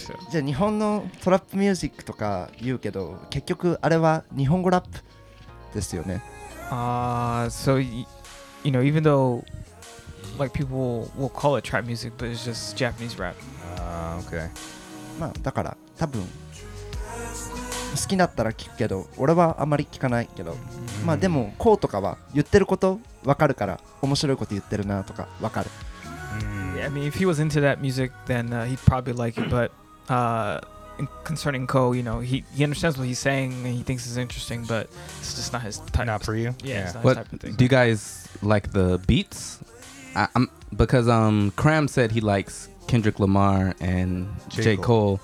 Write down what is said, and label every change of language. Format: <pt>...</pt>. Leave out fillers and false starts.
<ja>じゃあ日本のトラップミュージックとか言うけど、結局あれは日本語ラップですよね。</ja> <en>So you know, even though like people will call it trap music, but it's just Japanese rap. Okay.</en> <ja>まあだから多分好きだったら聞くけど、俺はあまり聞かないけど、まあでもこうとかは言ってること分かるから、面白いこと言ってるなとか分かる。</ja> <en>Yeah, I mean, if he was into that music, then he'd probably like it. But concerning Ko, you know, he understands what he's saying and he thinks it's interesting, but it's just not his type. Not for you? Yeah, it's not his type of thing. Do you guys like the beats? Because Cram said he likes Kendrick Lamar and J. Cole.</en>